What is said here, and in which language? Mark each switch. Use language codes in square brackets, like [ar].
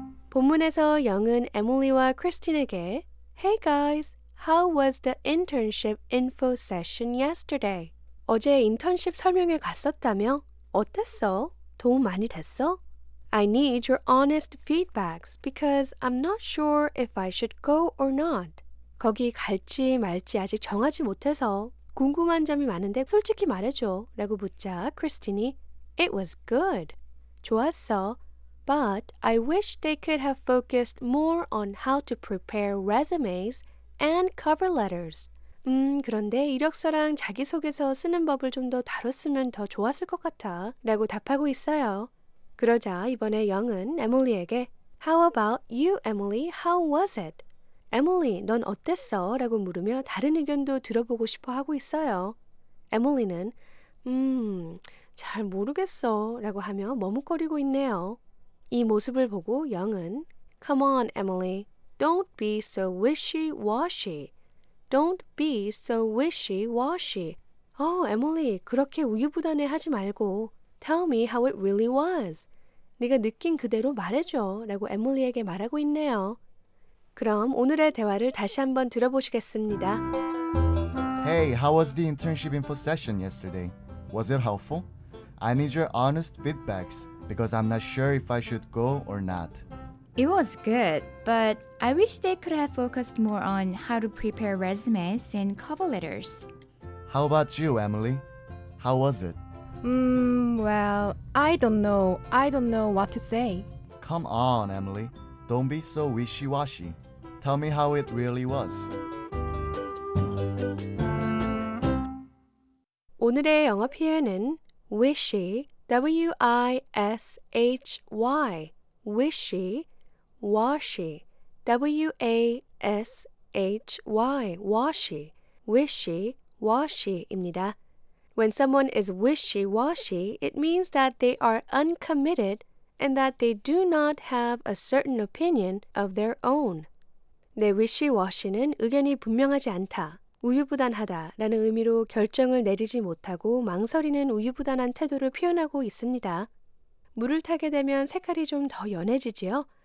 [ko] 본문에서 영은 에밀리와 크리스틴에게 [en] Hey guys, how was the internship info session yesterday? [ko] 어제 인턴십 설명회 갔었다며? 어땠어? 도움 많이 됐어? [en] I need your honest feedbacks because I'm not sure if I should go or not. [ko] 거기 갈지 말지 아직 정하지 못해서 궁금한 점이 많은데 솔직히 말해줘 라고 묻자 크리스틴이 [en] It was good. [ko] 좋았어. [en] But I wish they could have focused more on how to prepare resumes and cover letters. [ko] 그런데 이력서랑 자기소개서 쓰는 법을 좀 더 다뤘으면 더 좋았을 것 같아 라고 답하고 있어요. 그러자 이번에 영은 에밀리에게 [en] How about you, Emily? How was it? [ko] 에밀리, 넌 어땠어? 라고 물으며 다른 의견도 들어보고 싶어 하고 있어요. 에밀리는 잘 모르겠어 라고 하며 머뭇거리고 있네요. 이 모습을 보고 영은 [en] Come on, Emily. Don't be so wishy-washy. Don't be so wishy-washy. [ko] 에밀리, 그렇게 우유부단해하지 말고 [en] Tell me how it really was. [ko] 네가 느낀 그대로 말해줘 라고 에밀리에게 말하고 있네요. 그럼 오늘의 대화를 다시 한번 들어보시겠습니다. [en] Hey, how was the internship info session yesterday? Was it helpful? I need your honest feedbacks because I'm not sure if I should go or not. It was good, but I wish they could have focused more on how to prepare resumes and cover letters. How about you, Emily? How was it? Well, I don't know. I don't know what to say. Come on, Emily. Don't be so wishy-washy. Tell me how it really was. [ko] 오늘의 영어 표현은 wishy, W-I-S-H-Y, wishy, washy, W-A-S-H-Y, washy, wishy, washy입니다. [en] When someone is wishy-washy, it means that they are uncommitted and that they do not have a certain opinion of their own. [ko] 내 wishy-washy는 의견이 분명하지 않다, 우유부단하다라는 의미로 결정을 내리지 못하고 망설이는 우유부단한 태도를 표현하고 있습니다. 물을 타게 되면 색깔이 좀 더 연해지지요?